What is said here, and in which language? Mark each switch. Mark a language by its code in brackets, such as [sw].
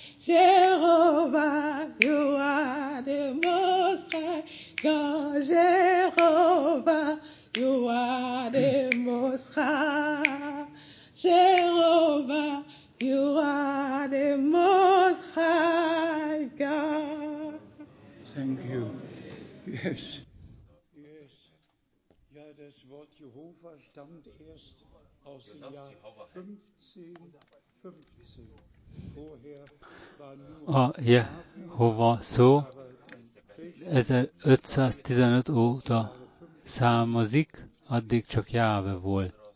[en] Jehovah, you are the most high God. Jehovah, you are the most high. Jehovah, you are the most high God. Thank you. Yes. Yes. [de] Ja, das Wort Jehova stammt erst aus dem Jahr 1515. [hu] A Jehova szó 1515 óta számozik, addig csak Jáve volt.